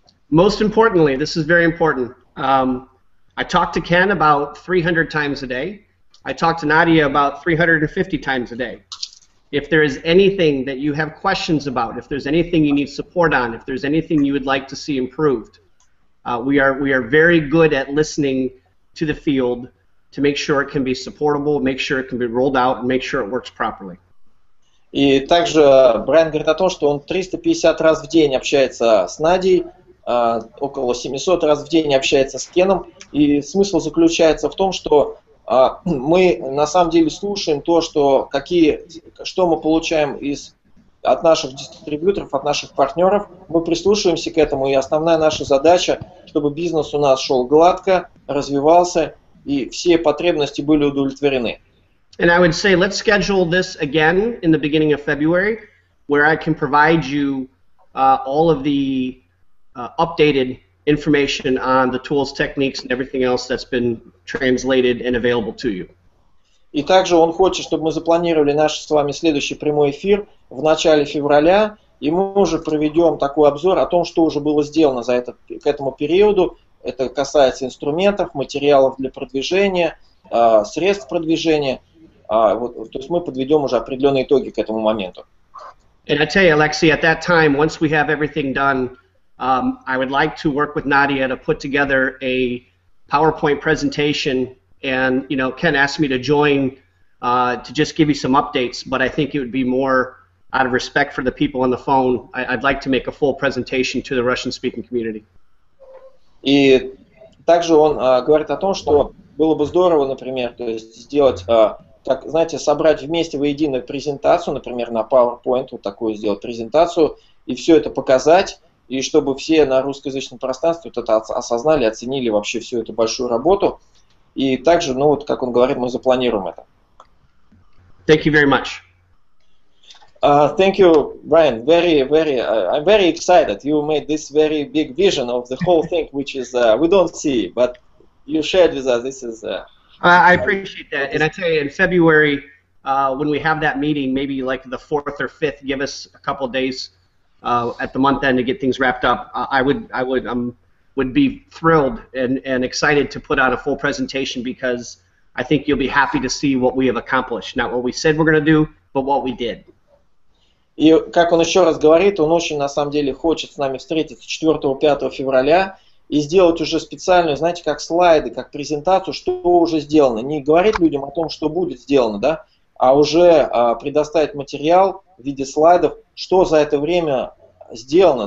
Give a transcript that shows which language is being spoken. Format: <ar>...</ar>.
<en>Most importantly, this is very important. I talk to Ken about 300 times a day. I talk to Nadia about 350 times a day. If there is anything that you have questions about, if there's anything you need support on, if there's anything you would like to see improved, we are very good at listening to the field to make sure it can be supportable, make sure it can be rolled out, and make sure it works properly.</en> <ru>И также Брайан говорит о том, что он 350 раз в день общается с Надей, около 700 раз в день общается с Кеном, и смысл заключается в том, что мы на самом деле слушаем то, что какие, что мы получаем из от наших дистрибьюторов, от наших партнеров, мы прислушиваемся к этому, и основная наша задача, чтобы бизнес у нас шел гладко, развивался, и все потребности были удовлетворены.</ru> <en>And I would say, let's schedule this again in the beginning of February, where I can provide you all of the updated information on the tools, techniques, and everything else that's been translated and available to you.</en> <ru>И также он хочет, чтобы мы запланировали наш с вами следующий прямой эфир в начале февраля, и мы уже проведем такой обзор о том, что уже было сделано за этот, к этому периоду. Это касается инструментов, материалов для продвижения, средств продвижения. То есть мы подведем уже определенные итоги к этому моменту.</ru> <en>And I tell you, Alexei, at that time, once we have everything done, I would like to work with Nadia to put together a PowerPoint presentation, and you know, Ken asked me to join to just give you some updates, but I think it would be more out of respect for the people on the phone. I'd like to make a full presentation to the Russian-speaking community.</en> <ru>И также он говорит о том, что было бы здорово, например, то есть сделать, так, знаете, собрать вместе воедино презентацию, например, на PowerPoint, вот такую сделать презентацию, и все это показать, и чтобы все на русскоязычном пространстве вот это осознали, оценили вообще всю эту большую работу. И также, ну вот, как он говорит, мы запланируем это.</ru> <en>Thank you very much. Thank you, Brian. I'm very excited. You made this very big vision of the whole thing, which is we don't see, but you shared with us. This is. I appreciate that, and I tell you, in February, when we have that meeting, maybe like the fourth or fifth, give us a couple of days at the month end to get things wrapped up. I would be thrilled and excited to put out a full presentation because I think you'll be happy to see what we have accomplished, not what we said we're going to do, but what we did.</en> <ru>И как он еще раз говорит, он очень на самом деле хочет с нами встретиться 4-5 февраля, и сделать уже специальную, знаете, как слайды, как презентацию, что уже сделано. Не говорить людям о том, что будет сделано, да, а уже предоставить материал в виде слайдов, что за это время сделано.</ru>